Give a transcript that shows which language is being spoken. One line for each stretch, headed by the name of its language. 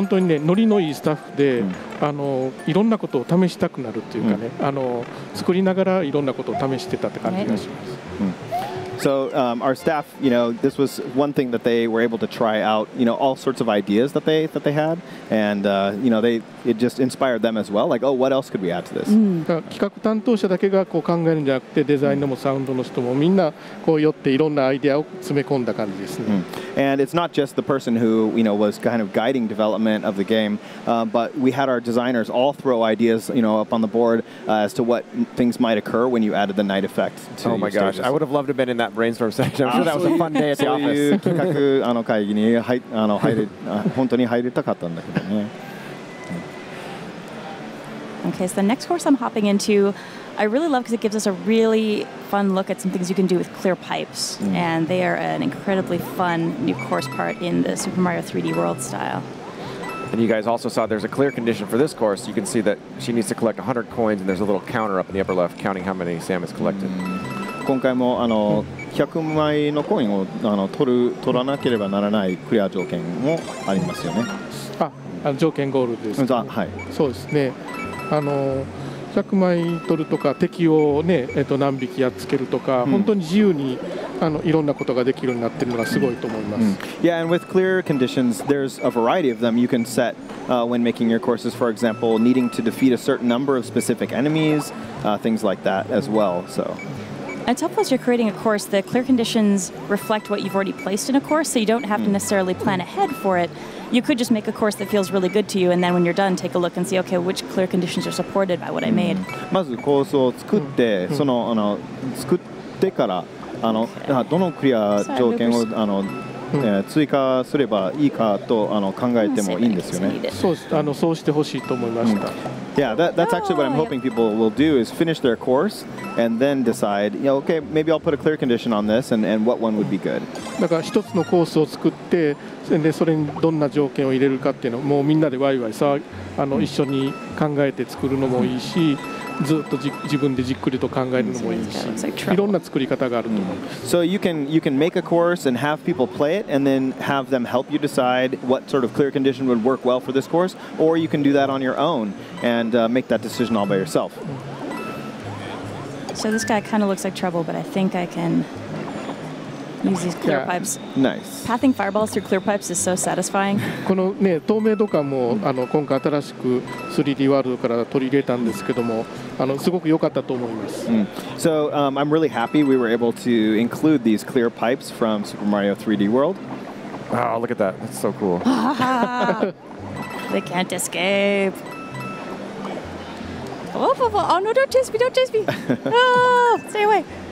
Japanese: 本当にね、ノリのいいスタッフで、いろんなことを試したくなるっていうかね、作りながらいろんなことを試してたって感じがします。
English: So, our staff, you know, this was one thing that they were able to try out, you know, all sorts of ideas that they had. And, you know, it just inspired them as well. Like, oh, what else could we add to this?
Japanese: 企画担当者だけがこう考えるんじゃなくて、デザイナーもサウンドの人もみんなこう寄っていろんなアイデアを詰め込んだ感じですね。
English: And it's not just the person who, you know, was kind of guiding development of the game, but we had our designers all throw ideas, you know, up on the board, as to what things might occur when you added the night effect to Oh my gosh, stages. I would have loved to have been in that brainstorm session. I'm sure that was a fun day at the office.
Japanese: そういう企画会議に本当に入りたかったんだけどね。
English: Okay, so the next course I'm hopping into, I really love because it gives us a really fun look at some things you can do with clear pipes. Mm. And they are an incredibly fun new course part in the Super Mario 3D World style. And you guys also saw there's a clear condition for this course. You can see that she needs to collect 100 coins and there's a little counter up in the upper left counting how many Sam has collected. Mm.
Japanese: 今回も100枚のコインを取らなければならないクリア条件もありますよね。条件ゴールです、ね。はい。そうですね。 100枚取るとか敵をね、何匹やっつけるとか、うん、本当に自由にいろんなことができるようになってるのがすごいと思います。うん、
English: yeah, and with clear conditions, there's a variety of them you can set, when making your courses. For example, needing to defeat a certain number of specific enemies, things like that as well. So. And it's helpful as you're creating a course, the clear conditions reflect what you've already placed in a course, so you don't have to necessarily plan ahead for it. You could just make a course that feels really good to you, and then when you're done, take a look and see, okay, which clear conditions are supported by what I made.
Japanese: まずコースを作って、その、作ってから、okay. どのクリア条件を、追加すればいいかと、考えてもいいんですよね。そうです。そうしてほしいと思いました。
English: Yeah, that's actually what I'm hoping people will do is finish their course and then decide, you know, okay, maybe I'll put a clear condition on this and what one would be good.
Japanese: だから一つのコースを作って、でそれにどんな条件を入れるかっていうのをもうみんなでワイワイさ、一緒に考えて作るのもいいし、ずっと自分でじっくりと考えるのもいいし、いろんな作り方があると思います。
English: So you can make a course and have people play it and then have them help you decide what sort of clear condition would work well for this course, or you can do that on your own and make that decision all by yourself. So this guy kind of looks like trouble, but I think I can use these clear pipes. Nice. Pathing fireballs through clear pipes is so satisfying.
Japanese: このね、透明度感も今回新しく 3D ワールドから取り入れたんですけども、すごく良かったと思います。 Mm.
English: So, I'm really happy we were able to include these clear pipes from Super Mario 3D World. Oh, look at that. That's so cool. They can't escape. Oh, oh, oh, oh, no, don't chase me. Don't chase me. Oh, stay away.